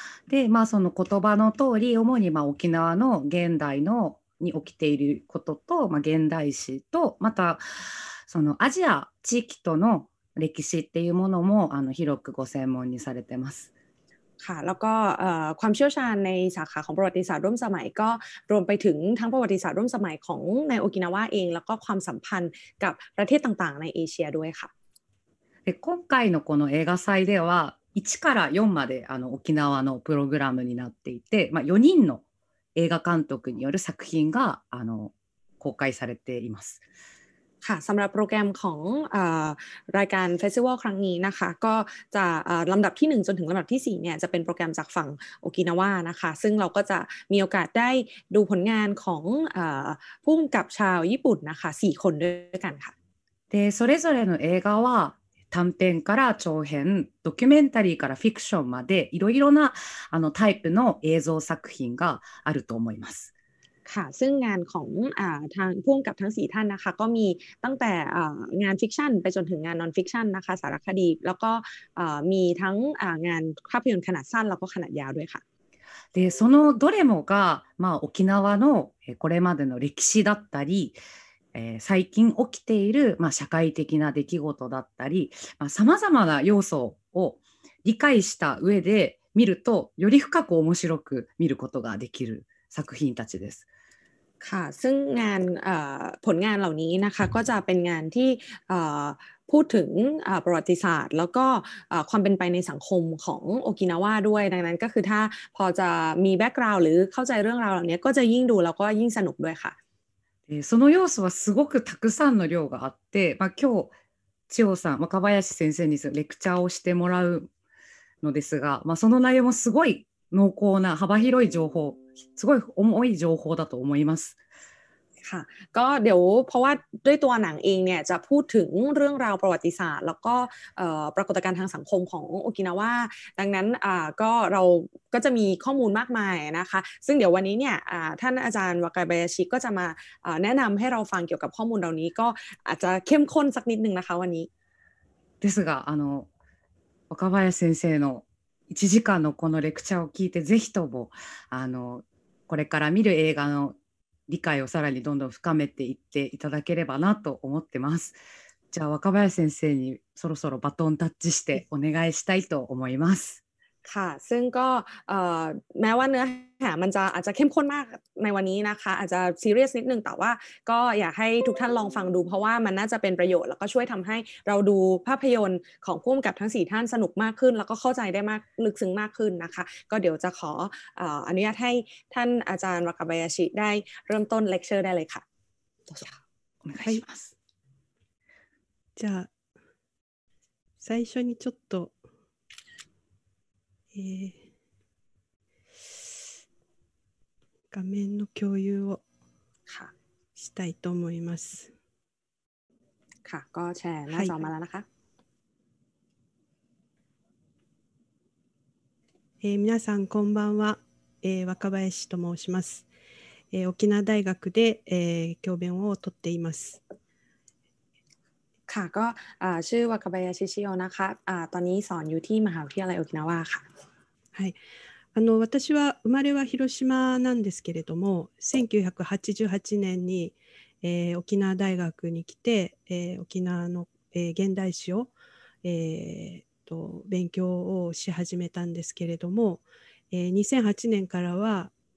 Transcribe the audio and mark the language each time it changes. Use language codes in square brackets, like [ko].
[ja] で、まあ、その言葉の通り主に、まあ、沖縄の現代のに起きていることと、まあ、現代史とまたそのアジア地域との歴史っていうものもあの広くご専門にされてます。 [th] ค่ะแล้วก็ความเชี่ยวชาญในสาขาของประวัติศาสตร์ร่วมสมัยก็รวมไปถึงทั้งประวัติศาสตร์ร่วมสมัยของในโอกินาวาเองแล้วก็ความสัมพันธ์กับประเทศต่างๆในเอเชียด้วยค่ะ [ja] で今回のこの映画祭では1から4まであの沖縄のプログラムになっていて、まあ、4人の映画監督による作品があの公開されています。 [th] ค่ะสำหรับโปรแกรมของรายการเฟสติวัลครั้งนี้นะคะก็จะลำดับที่1จนถึงลำดับที่4เนี่ยจะเป็นโปรแกรมจากฝั่งโอกินาวานะคะซึ่งเราก็จะมีโอกาสได้ดูผลงานของผู้กำกับชาวญี่ปุ่นนะคะ4คนด้วยกันค่ะ [ja] で、それぞれの映画は短編から長編、ドキュメンタリーからフィクションまでいろいろなあのタイプの映像作品があると思います。 [th] ค่ะซึ่งงานของทางพ่วงกับทั้ง4ท่านนะคะก็มีตั้งแต่งานฟิกชันไปจนถึงงานนอนฟิกชันนะคะสารคดีแล้วก็มีทั้งงานภาพยนตร์ขนาดสั้นแล้วก็ขนาดยาวด้วยค่ะ [ja] で、そのどれもが、まあ、沖縄のこれまでの歴史だったり、最近起きている、まあ、社会的な出来事だったり、まあ、様々な要素を理解した上で見るとより深く面白く見ることができる作品たちです。 [th] ค่ะซึ่งงานผลงานเหล่านี้นะคะก็จะเป็นงานที่พูดถึงประวัติศาสตร์แล้วก็ความเป็นไปในสังคมของโอกินาวาด้วยดังนั้นก็คือถ้าพอจะมีแบ็คกราวด์หรือเข้าใจเรื่องราวเหล่านี้ก็จะยิ่งดูแล้วก็ยิ่งสนุกด้วยค่ะ [ja] その要素はすごくたくさんの量があって、まあ、今日千代さん若林先生にレクチャーをしてもらうのですが、まあ、その内容もすごい濃厚な幅広い情報すごい重い情報だと思います。 [th] ค่ะก็เดี๋ยวเพราะว่าด้วยตัวหนังเองเนี่ยจะพูดถึงเรื่องราวประวัติศาสตร์แล้วก็ปรากฏการณ์ทางสังคมของโอกินาวาดังนั้นก็เราก็จะมีข้อมูลมากมายนะคะซึ่งเดี๋ยววันนี้เนี่ยท่านอาจารย์วากาบายาชิก็จะมาแนะนำให้เราฟังเกี่ยวกับข้อมูลเหล่านี้ก็อาจจะเข้มข้นสักนิดนึงนะคะวันนี้ [ja] ですがあの若林先生の1時間のこのレクチャーを聞いてぜひともあのこれから見る映画の理解をさらにどんどん深めていっていただければなと思ってます。じゃあ若林先生にそろそろバトンタッチしてお願いしたいと思います。 [th] ค่ะซึ่งก็แม้ว่าเนื้อหามันจะอาจจะเข้มข้นมากในวันนี้นะคะอาจจะซีเรียสนิดนึงแต่ว่าก็อยากให้ทุกท่านลองฟังดูเพราะว่ามันน่าจะเป็นประโยชน์แล้วก็ช่วยทำให้เราดูภาพยนตร์ของผู้กำกับทั้ง4ท่านสนุกมากขึ้นแล้วก็เข้าใจได้มากลึกซึ้งมากขึ้นนะคะก็เดี๋ยวจะขออนุญาตให้ท่านอาจารย์วากาบายาชิได้เริ่มต้นเลคเชอร์ได้เลยค่ะ [ja] お願いします、はい、じゃあ最初にちょっと、画面の共有をしたいと思います。 [th] ค่ะก็แชร์หน้าจอมาแล้วนะคะ [ja] 皆さんこんばんは、若林と申します。沖縄大学で、教鞭を取っています。 [th] ค่ะก็ชื่อ若林しおなคะตอนนี้สอนอยู่ที่มหาวิทยาลัย沖縄ค่ะ [ja] はい私は生まれは広島なんですけれども1988年に、沖縄大学に来て、沖縄の、現代史を、勉強をし始めたんですけれども、2008年からは